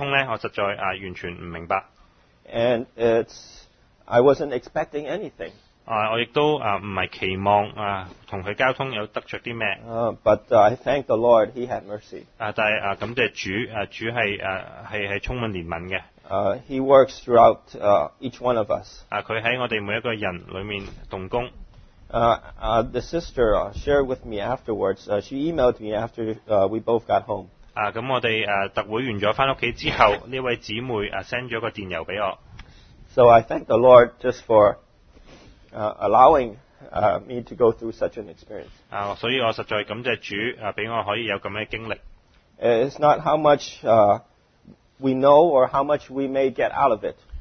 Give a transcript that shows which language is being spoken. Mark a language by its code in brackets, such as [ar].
[zh] 我跟我太太交通过，为什么主要我去跟这位姊妹交通呢？我实在完全不明白。 [en] And it's, I wasn't expecting anything. [zh] 我亦都不是期望跟他交通有得着什么。 [en] But I thank the Lord, He had mercy. [zh] 但感谢主，主是充满怜悯的。 [en] He works throughout each one of us. [zh] 他在我们每一个人里面动工。 [en] The sister shared with me afterwards. She emailed me after we both got home. [zh] 我们特会完了回家之后，这位姊妹发了个电邮给我。 [en] So I thank the Lord just for allowing me to go through such an experience. [zh] 所以我实在感谢主，让我可以有这样的经历。 [en] It's not how much we know or how much we may get out of it.